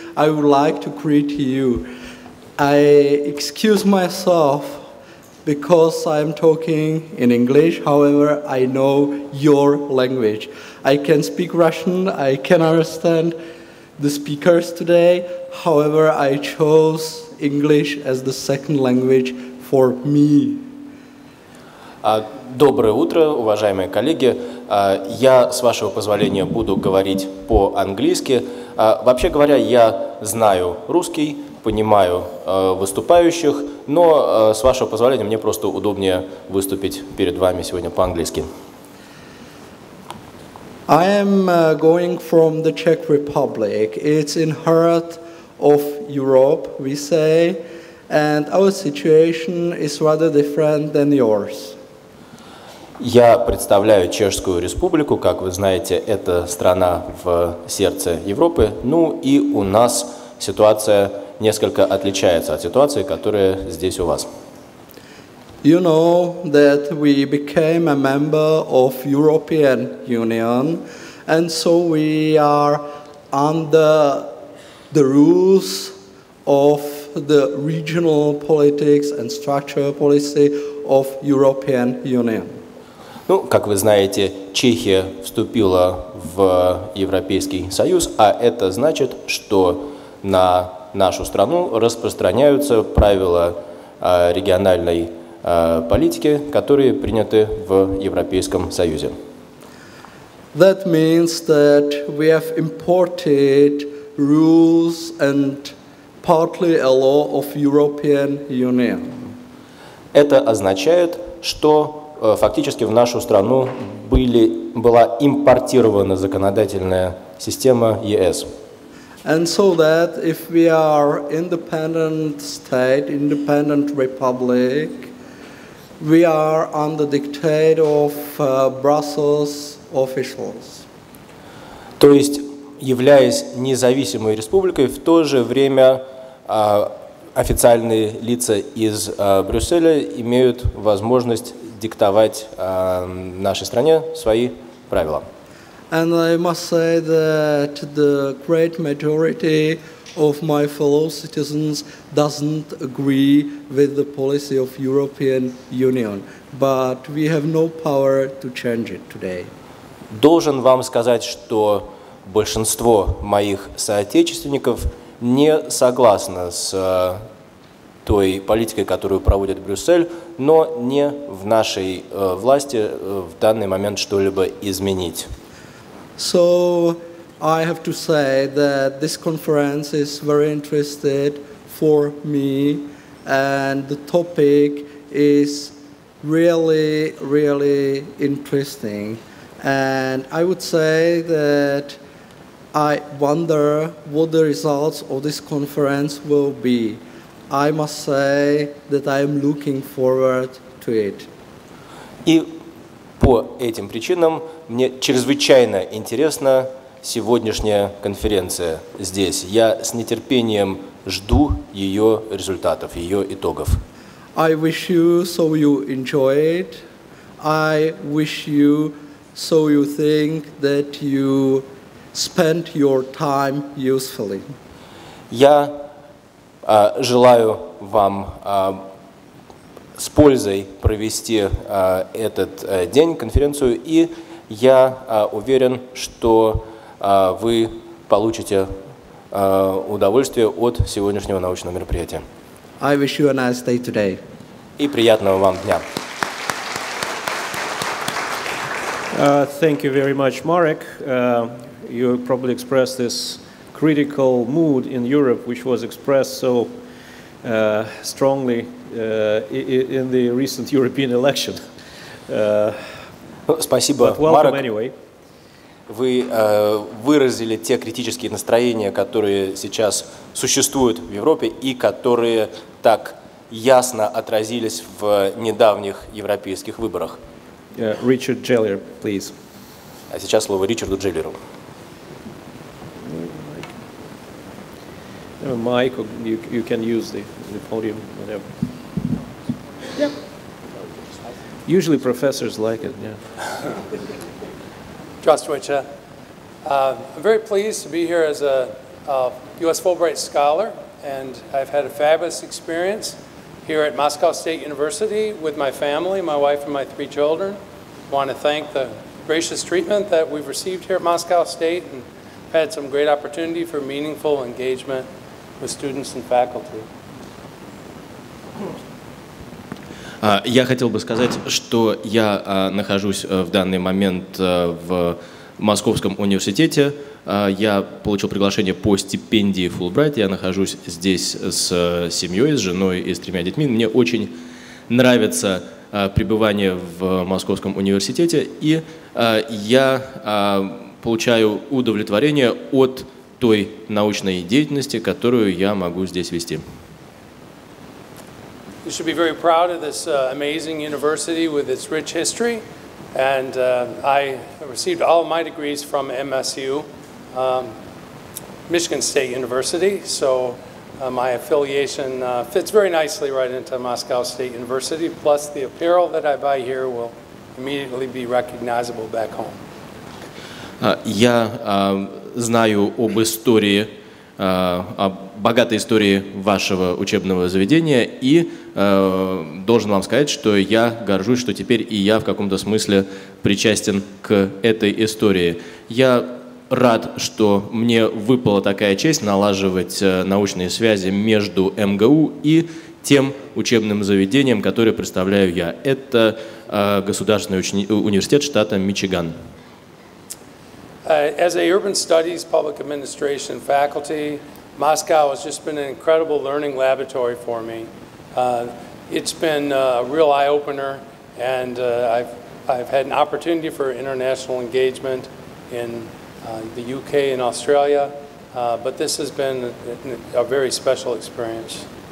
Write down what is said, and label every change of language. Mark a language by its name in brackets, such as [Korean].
[English] I would like to greet you. I excuse myself because I'm talking in English. However, I know your language. I can speak Russian. I can understand the speakers today. However, I chose English as the second language for me. [Russian] Доброе утро, уважаемые коллеги. Я, с вашего позволения, буду говорить по-английски. Вообще говоря, я знаю русский, понимаю выступающих, но, с вашего позволения, мне просто удобнее выступить перед вами сегодня по-английски. [English] I am going from the Czech Republic. It's in heart of Europe, we say, and our situation is rather different than yours. [Russian] Я представляю Чешскую Республику, как вы знаете, это страна в сердце Европы. Ну и у нас ситуация несколько отличается от ситуации, которая здесь у вас. [English] You know that we became a member of European Union, and so we are under the rules of the regional politics and structure policy of European Union. [Russian] Ну, как вы знаете, Чехия вступила в Европейский Союз, а это значит, что на нашу страну распространяются правила региональной политики, которые приняты в Европейском Союзе. [English] That means that we have imported rules and partly a law of European Union. [Russian] Это означает, что фактически в нашу страну была импортирована законодательная система ЕС. [English] And so that if we are independent state, independent republic, we are under dictate of Brussels officials. [Russian] То есть, являясь независимой республикой, в то же время официальные лица из Брюсселя имеют возможность диктовать нашей стране свои правила. [English] And I must say that the great majority of my fellow citizens doesn't agree with the policy of European Union, but we have no power to change it today. [Russian] Должен вам сказать, что большинство моих соотечественников не согласны с той политикой, которую проводит Брюссель, но не в нашей власти в данный момент что-либо изменить. [English] So I have to say that this conference is very interested for me, and the topic is really, really interesting. And I would say that I wonder what the results of this conference will be. I must say that I am looking forward to it. [Russian] И по этим причинам мне чрезвычайно интересна сегодняшняя конференция здесь. Я с нетерпением жду ее результатов, ее итогов. [English] I wish you so you enjoy it. I wish you so you think that you spend your time usefully. [Russian] Я желаю вам с пользой провести этот день, конференцию, и я уверен, что вы получите удовольствие от сегодняшнего научного мероприятия. [English] I wish you a nice day today. [Russian] И приятного вам дня. [English] Thank you very much, Marek. You probably expressed this critical mood in Europe, which was expressed so strongly in the recent European election. [Russian] Спасибо, Марек. [English] Anyway. [Russian] Вы выразили те критические настроения, которые сейчас существуют в Европе и которые так ясно отразились в недавних европейских выборах. [English] Richard Geller, please. [Russian] А сейчас слово Ричарду Джеллеру. [English] Mic, or you can use the podium, whatever. Yeah. Usually professors like it, yeah. [Russian] Здравствуйте. [English] I'm very pleased to be here as a U.S. Fulbright scholar, and I've had a fabulous experience here at Moscow State University with my family, my wife and my three children. I want to thank the gracious treatment that we've received here at Moscow State, and I've had some great opportunity for meaningful engagement with students and faculty. [Russian] Я хотел бы сказать, что я нахожусь в данный момент в Московском университете. Я получил приглашение по стипендии Fulbright. Я нахожусь здесь с семьей, с женой и с тремя детьми. Мне очень нравится пребывание в Московском университете, и я получаю удовлетворение от той научной деятельности, которую я могу здесь вести. [English] You should be very proud of this amazing university with its rich history. And I received all my degrees from MSU, Michigan State University. So my affiliation fits very nicely right into Moscow State University. Plus the apparel that I buy here will immediately be recognizable back home. [Russian] Я знаю об истории, об богатой истории вашего учебного заведения, и должен вам сказать, что я горжусь, что теперь и я в каком-то смысле причастен к этой истории. Я рад, что мне выпала такая честь налаживать научные связи между МГУ и тем учебным заведением, которое представляю я. Это Государственный университет штата Мичиган. [English] As a urban studies public administration faculty, Moscow has just been an incredible learning laboratory for me. It's been a real eye-opener, and I've had an opportunity for international engagement in the UK and Australia, but this has been a very special experience.